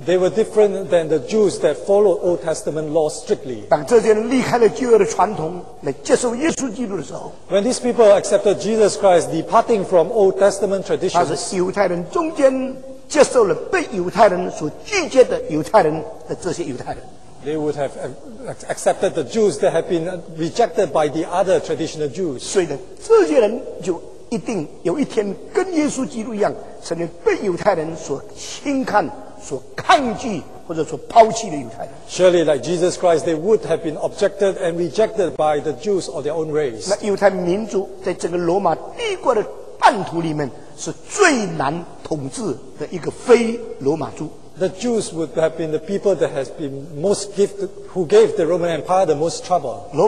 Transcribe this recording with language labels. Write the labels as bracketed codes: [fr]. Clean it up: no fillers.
[en] They were different than the Jews that followed Old Testament law strictly. [zh] 当这些人离开了旧约的传统来接受耶稣基督的时候, [en] when these people accepted Jesus Christ departing from Old Testament traditions, [zh] 他是犹太人中间接受了被犹太人所拒绝的犹太人的这些犹太人。 [en] They would have accepted the Jews that had been rejected by the other traditional Jews. [zh] 所以呢，这些人就一定有一天跟耶稣基督一样，成为被犹太人所轻看。所抗拒或者说抛弃的犹太人。 [en] Surely like Jesus Christ, they would have been objected and rejected by the Jews or their own race. [zh] 那犹太民族在整个罗马帝国的版图里面是最难统治的一个非罗马族。 [en] The Jews would have been the people that has been most gifted, who gave the Roman Empire the most trouble.